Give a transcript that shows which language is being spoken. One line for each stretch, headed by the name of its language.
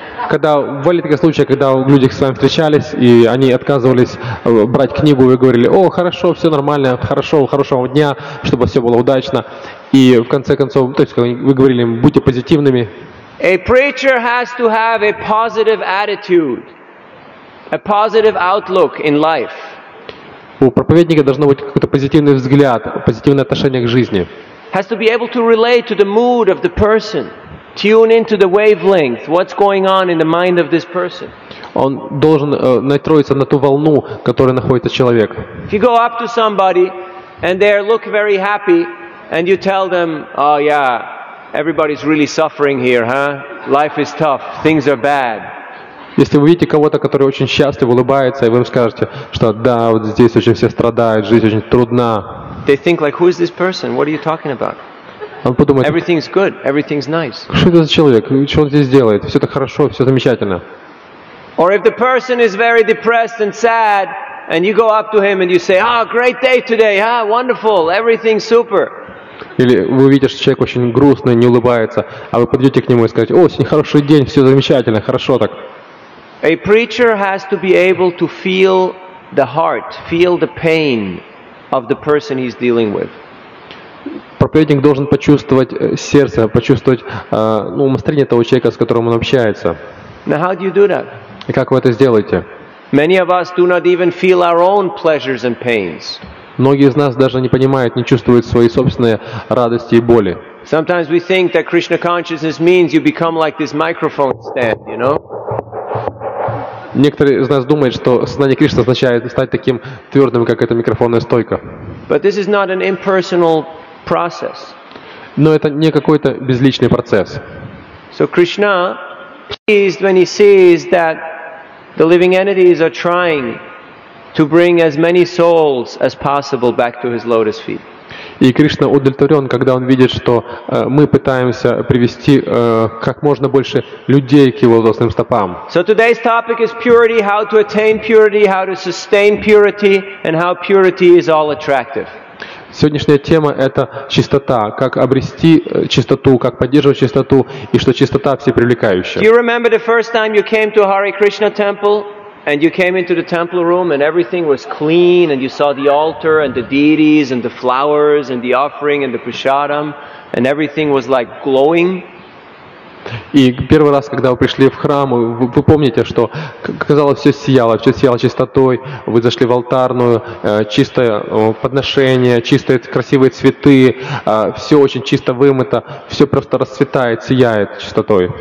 Russian: Когда были такие случаи, когда люди с вами встречались и они отказывались брать книгу, вы говорили: "О, хорошо, все нормально, хорошо, хорошего дня, чтобы все было удачно". И в конце концов, то есть вы говорили им: "Будьте позитивными".
English: A preacher has to have a positive attitude, a positive outlook in life.
Russian: У проповедника должно быть какой-то позитивный взгляд, позитивное отношение к жизни.
English: Has to be able to relate to the mood of the person, tune into the wavelength, what's going on in the mind of this person.
Russian: Он должен настроиться на ту волну, которая находится человек.
English: If you go up to somebody and they look very happy and you tell them, "Oh yeah, everybody's really suffering here, huh? Life is tough, things are bad."
Russian: Если вы видите кого-то, который очень счастлив, улыбается, и вы им скажете, что да, вот здесь очень все страдают, жизнь очень трудна.
English: They think like, who is this person? What are you talking about?
Russian: Он подумает,
English: everything's good, everything's nice.
Russian: Что это за человек? Что он здесь делает? Все так хорошо, все замечательно.
English: Or if the person is very depressed and sad, and you go up to him and you say, "Ah, great day today, ah, wonderful, everything super."
Russian: Или вы видите, что человек очень грустный, не улыбается, а вы подойдете к нему и скажете: "О, сегодня хороший день, все замечательно, хорошо так."
English: A preacher has to be able to feel the heart, feel the pain of the person he's dealing with.
Russian: Проповедник должен почувствовать сердце, почувствовать настроение того человека, с которым он общается.
English: Now how do you do that?
Russian: И как вы это сделаете?
English: Many of us do not even feel our own pleasures and pains.
Russian: Многие из нас даже не понимают, не чувствуют свои собственные радости и боли.
English: Sometimes we think that Krishna consciousness means you become like this microphone stand, you know?
Russian: Некоторые из нас думают, что сознание Кришны означает стать таким твердым, как эта микрофонная стойка.
English: But this is not an impersonal process.
Russian: Но это не какой-то безличный процесс.
English: So Krishna pleased when he sees that the living entities are trying to bring as many souls as possible back to his lotus feet.
Russian: И Кришна удовлетворен, когда он видит, что мы пытаемся привести как можно больше людей к его лотосным стопам.
English: So today's topic is purity, how to attain purity, how to sustain purity, and how purity is all attractive.
Russian: Сегодняшняя тема — это чистота. Как обрести чистоту, как поддерживать чистоту, и что чистота всепривлекающая.
English: Do you remember the first time you came to a Hare Krishna temple? And you came into the temple room and everything was clean and you saw the altar and the deities and the flowers and the offering and the prasadam and everything was like glowing.
Russian: И первый раз, когда вы пришли в храм, вы помните, что казалось, все сияло чистотой. Вы зашли в алтарную, чистое подношение, чистые красивые цветы, все очень чисто вымыто, все просто расцветает, сияет чистотой.